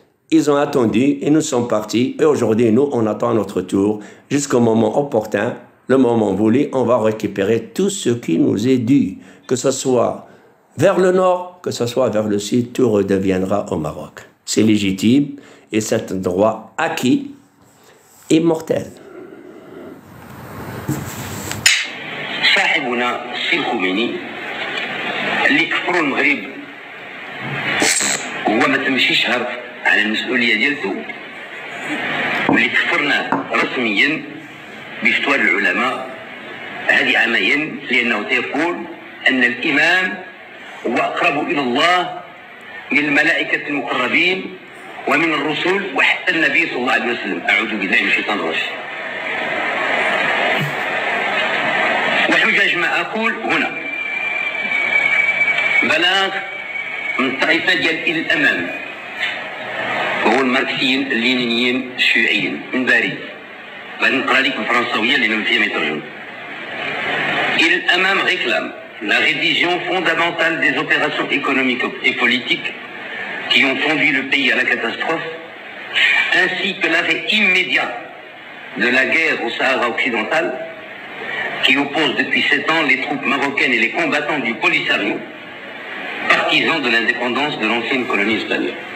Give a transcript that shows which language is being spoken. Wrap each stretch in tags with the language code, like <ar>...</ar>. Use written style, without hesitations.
<fr>Ils ont attendu et nous sommes partis. Et aujourd'hui, nous, on attend notre tour jusqu'au moment opportun, le moment voulu. On va récupérer tout ce qui nous est dû, que ce soit vers le nord, que ce soit vers le sud. Tout redeviendra au Maroc. C'est légitime et c'est un droit acquis, immortel.</fr> <ar>صاحبنا السي الخميني اللي كفروا المغرب هو ما تمشي شهر على المسؤوليه ديالته واللي كفرناه رسميا بفتوى العلماء هذه عامين لانه تيقول ان الامام هو اقرب الى الله من الملائكه المقربين ومن الرسل وحتى النبي صلى الله عليه وسلم اعوذ بالله من الشيطان الرجيم ما أقول هنا بلاغ من طائفة ديال الأمام هو الماركسيين اللينينيين الشيوعيين من باريس بعد نقرا لكم الفرنساوية اللي ما فيها ما يترجم الأمام غير كلام</ar> <fr>la révision fondamentale des opérations économiques et politiques qui ont conduit le pays à la catastrophe, ainsi que l'arrêt immédiat de la guerre au Sahara occidental qui oppose depuis 7 ans les troupes marocaines et les combattants du Polisario, partisans de l'indépendance de l'ancienne colonie espagnole.</fr>